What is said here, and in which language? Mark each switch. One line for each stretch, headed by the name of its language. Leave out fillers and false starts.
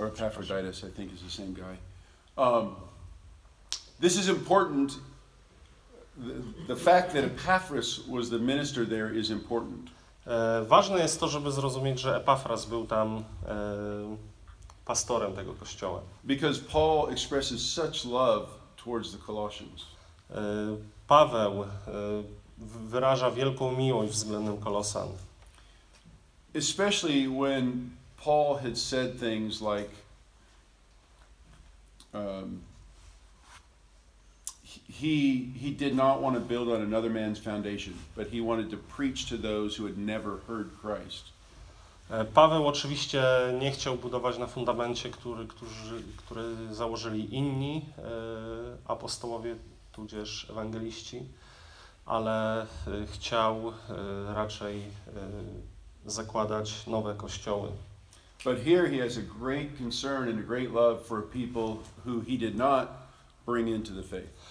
English: Or Epaphroditus, I think is the same guy. This is important. The fact that Epaphras was the minister there is important.
Polish: Ważne jest to, żeby zrozumieć, że Epafras był tam pastorem tego kościoła.
English: Because Paul expresses such love towards the Colossians.
Polish: Paweł wyraża wielką miłość względem Kolosan.
English: Especially when Paul had said things like he did not want to build on another man's foundation, but he wanted to preach to those who had never heard Christ.
Polish: Paweł oczywiście nie chciał budować na fundamencie, który założyli inni apostołowie tudzież ewangeliści, ale chciał raczej zakładać nowe kościoły.
English: But here he has a great concern and a great love for people who he did not bring into the faith.